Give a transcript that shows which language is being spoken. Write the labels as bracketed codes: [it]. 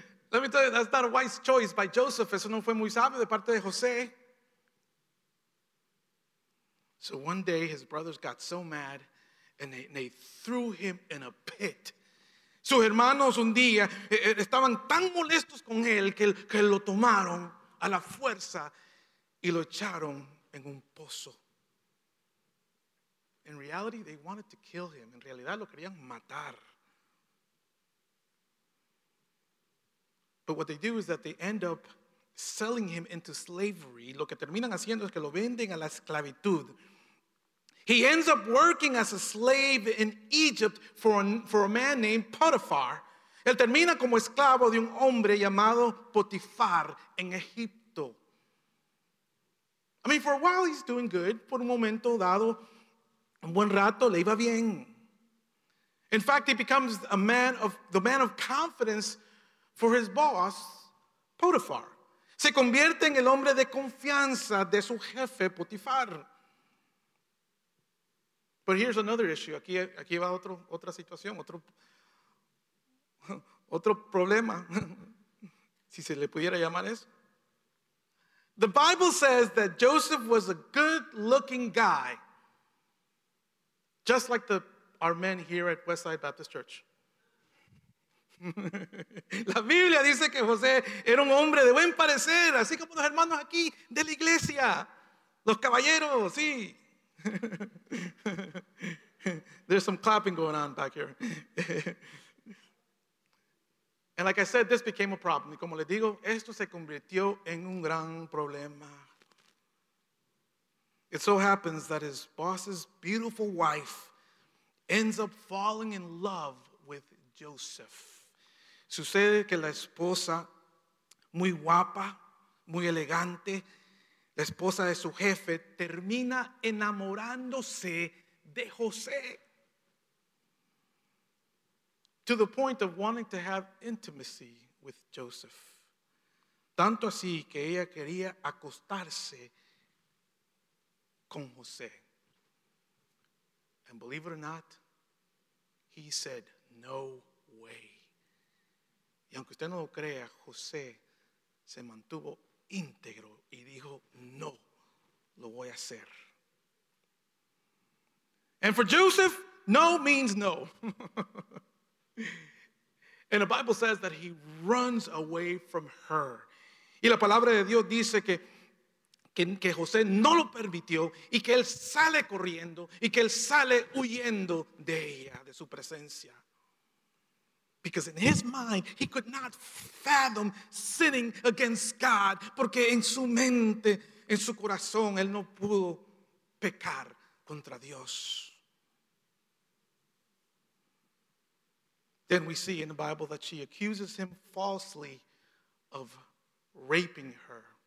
[en] Let me tell you, that's not a wise choice by Joseph. [es] Eso no fue muy sabio de parte de José. [en] So one day his brothers got so mad and they threw him in a pit. [es] Sus hermanos un día estaban tan molestos con él que lo tomaron a la fuerza y lo echaron en un pozo. [en] In reality, they wanted to kill him. [es] En realidad, lo querían matar. [en] But what they do is that they end up selling him into slavery. [es] Lo que terminan haciendo es que lo venden a la esclavitud. [en] He ends up working as a slave in Egypt for a man named Potiphar. [es] Él termina como esclavo de un hombre llamado Potifar en Egipto. [en] I mean, for a while he's doing good. [es] Por un momento dado, un buen rato le iba bien. [en] In fact, he becomes the man of confidence for his boss, Potiphar. [es] Se convierte en el hombre de confianza de su jefe, Potifar. [en] But here's another issue. [es] Aquí va otra situación, otro problema, si se le pudiera llamar eso. [en] The Bible says that Joseph was a good-looking guy, just like our men here at Westside Baptist Church. [es] La Biblia dice que José era un hombre de buen parecer, así como los hermanos aquí de la iglesia, los caballeros, sí. [en] There's some clapping going on back here. And like I said, this became a problem. [es] Y como les digo, esto se convirtió en un gran problema. [en] It so happens that his boss's beautiful wife ends up falling in love with Joseph. [es] Sucede que la esposa, muy guapa, muy elegante, la esposa de su jefe, termina enamorándose de José. [en] To the point of wanting to have intimacy with Joseph. [es] Tanto así que ella quería acostarse con José. [en] And believe it or not, he said, no way. [es] Y aunque usted no lo crea, José se mantuvo íntegro y dijo, no, lo voy a hacer. [en] And for Joseph, no means no. And the Bible says that he runs away from her. [es] Y la palabra de Dios dice que José no lo permitió y que él sale corriendo y que él sale huyendo de ella, de su presencia. [en] Because in his mind, he could not fathom sinning against God. [es] Porque en su mente, en su corazón, él no pudo pecar contra Dios. [en] Then we see in the Bible that she accuses him falsely of raping her.